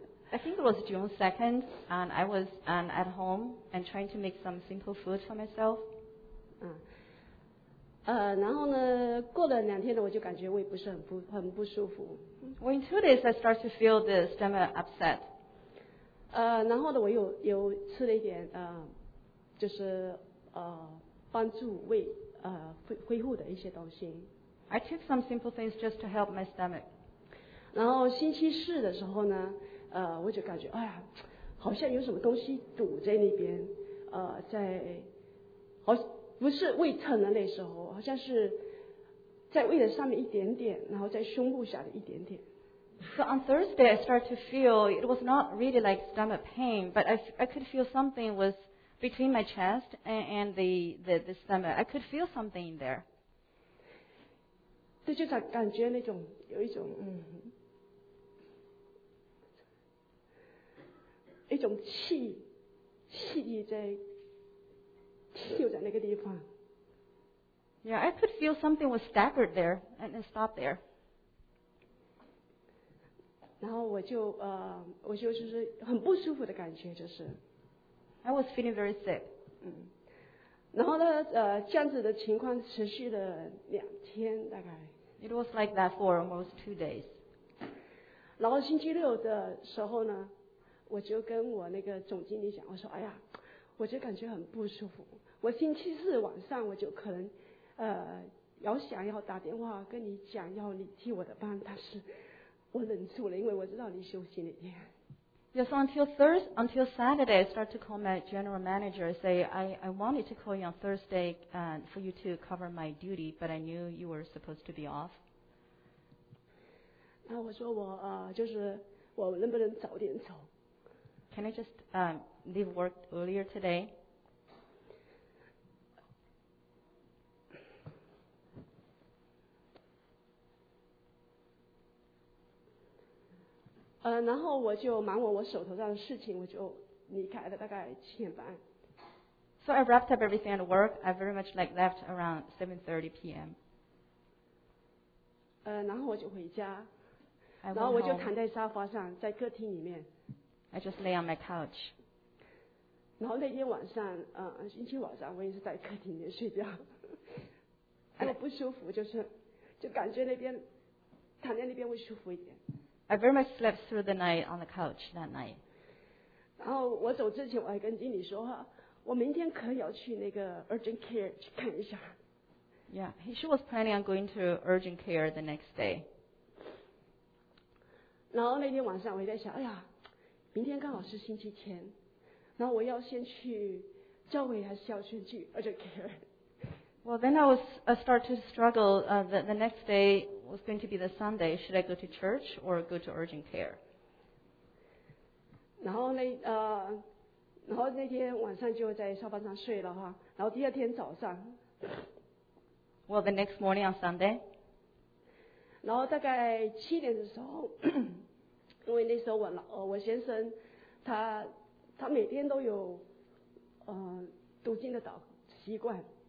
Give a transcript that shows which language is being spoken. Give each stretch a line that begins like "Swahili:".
English: I think it was June 2nd, and I was at home and trying to make some simple food for myself.
Chinese: 然后呢，过了两天呢，我就感觉胃不是很不舒服。
English: Well, in 2 days, I start to feel the stomach upset.
Chinese: 然后呢，我又吃了一点就是帮助胃恢复的一些东西。
English: I took some simple things just to help my stomach.
Chinese: 然后星期四的时候呢。我就感觉哎呀好像有什么东西堵在那边在好不是胃疼的那时候好像是在胃的上面一点点然后在胸部下的一点点。
English: So on Thursday, I started to feel it was not really like stomach pain, but I could feel something was between my chest and the stomach. I could feel something in there.
Chinese: 对就感觉那种有一种一种气力在停留在那个地方。
English: Yeah, I could feel something was staggered there and it stopped there.
Chinese: 然后我就是很不舒服的感觉，就是。
English: I was feeling very sick.
Chinese: 然后呢，这样子的情况持续了两天大概。
English: It was like that for almost 2 days.
Chinese: 然后星期六的时候呢，我就跟我那个总经理讲，我说哎呀，我就感觉很不舒服，我星期四晚上我就可能要想要打电话跟你讲要你替我的班，但是我忍住了，因为我知道你休息那天。
English: Yes, until Thursday, until Saturday, I started to call my general manager and say, I wanted to call you on Thursday for you to cover my duty, but I knew you were supposed to be off.
Chinese: 那我说我就是我能不能早点走？
English: Can I just leave work earlier today?
Chinese: 然后我就忙我手头上的事情，我就离开了，大概七点半。
English: So I wrapped up everything at work. I very much like left around 7:30 p.m.
Chinese: 然后我就回家。
English: I、
Chinese: 然后我就躺在沙发上，在客厅里面。
English: I just lay on my couch.
Chinese: 然后那天晚上，星期晚上我也是在客厅里面睡觉。然后不舒服，就感觉那边躺在那边会舒服一点。
English: I very much slept through the night on the couch that night.
Chinese: 然后我走之前我还跟经理说，我明天可要去那个 urgent care 去看一下。
English: Yeah, she was planning on going to urgent care the next day.
Chinese: 然后那天晚上我在想，哎呀，明天刚好是星期天，然后我要先去教会还是要先去 urgent care？
English: Well, then I was start to struggle. The next day was going to be the Sunday. Should I go to church or go to urgent care?
Chinese: 然后那天晚上就在沙发上睡了哈。然后第二天早上。
English: Well, the next morning on Sunday.
Chinese: 然后大概七点的时候，因为那时候我先生他每天都有读经的祷习惯。